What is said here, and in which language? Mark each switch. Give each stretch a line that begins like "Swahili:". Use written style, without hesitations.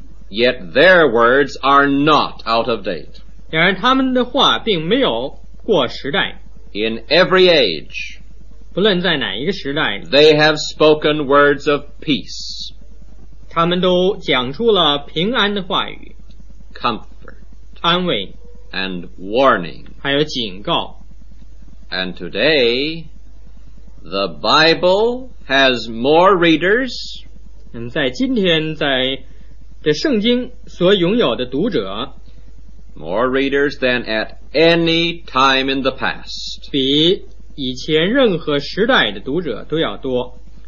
English: yet their words are not out of date
Chinese: 然而他们的话并没有过时代
English: in every age
Chinese: 不论在哪一个时代
English: They have spoken words of peace
Chinese: 他们都讲出了平安的话语
English: Comfort
Chinese: 安慰
English: And warning
Chinese: 还有警告
English: And today The Bible has more readers
Chinese: 在今天在的圣经所拥有的读者
English: More readers than at any time in the past
Chinese: 比以前任何时代的读者都要多。